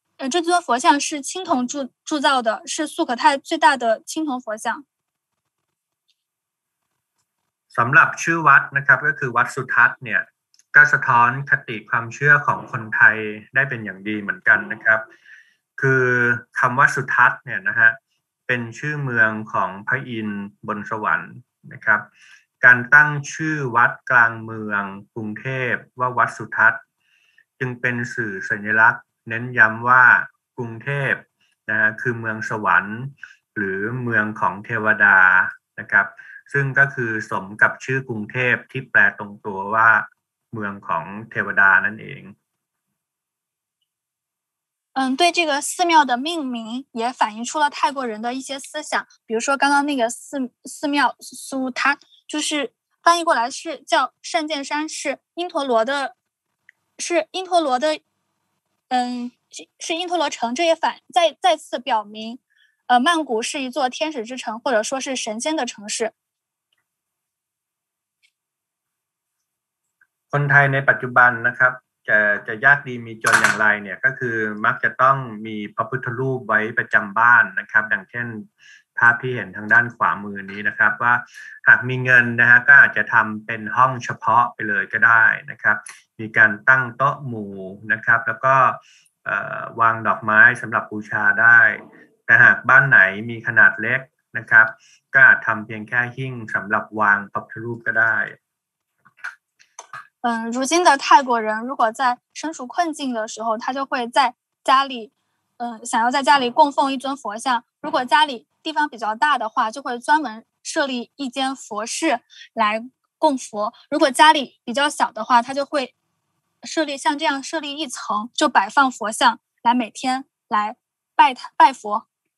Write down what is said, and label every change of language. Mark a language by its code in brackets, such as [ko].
[zh] 这尊佛像是青铜铸造的，是素可泰最大的青铜佛像。 [th] สำหรับชื่อวัดนะครับก็คือวัดสุทัศน์เนี่ยก็สะท้อนคติความเชื่อของคนไทยได้เป็นอย่างดีเหมือนกันนะครับ คือคำว่าสุทัศน์เนี่ยนะฮะเป็นชื่อเมืองของพระอินทร์บนสวรรค์นะครับการตั้งชื่อวัดกลางเมืองกรุงเทพว่าวัดสุทัศน์จึงเป็นสื่อสัญลักษณ์เน้นย้ำว่ากรุงเทพนะฮะคือเมืองสวรรค์หรือเมืองของเทวดานะครับซึ่งก็คือสมกับชื่อกรุงเทพที่แปลตรงตัวว่าเมืองของเทวดานั่นเอง [zh] 对这个寺庙的命名也反映出了泰国人的一些思想，比如说刚刚那个寺庙苏塔，就是翻译过来是叫善见山，是因陀罗城，这也再次表明曼谷是一座天使之城，或者说是神仙的城市。 [th] คนไทยในปัจจุบันนะครับจะยากดีมีจนอย่างไรเนี่ยก็คือมักจะต้องมีพระพุทธรูปไว้ประจำบ้านนะครับดังเช่นภาพที่เห็นทางด้านขวามือนี้นะครับว่าหากมีเงินนะฮะก็อาจจะทำเป็นห้องเฉพาะไปเลยก็ได้นะครับมีการตั้งโต๊ะหมู่นะครับแล้วก็วางดอกไม้สำหรับบูชาได้แต่หากบ้านไหนมีขนาดเล็กนะครับก็อาจทำเพียงแค่หิ้งสำหรับวางพระพุทธรูปก็ได้ [zh] 如今的泰国人如果在身处困境的时候，他就会在家里，想要在家里供奉一尊佛像。如果家里地方比较大的话，就会专门设立一间佛室来供佛，如果家里比较小的话，他就会设立像这样设立一层，就摆放佛像来每天来拜他拜佛。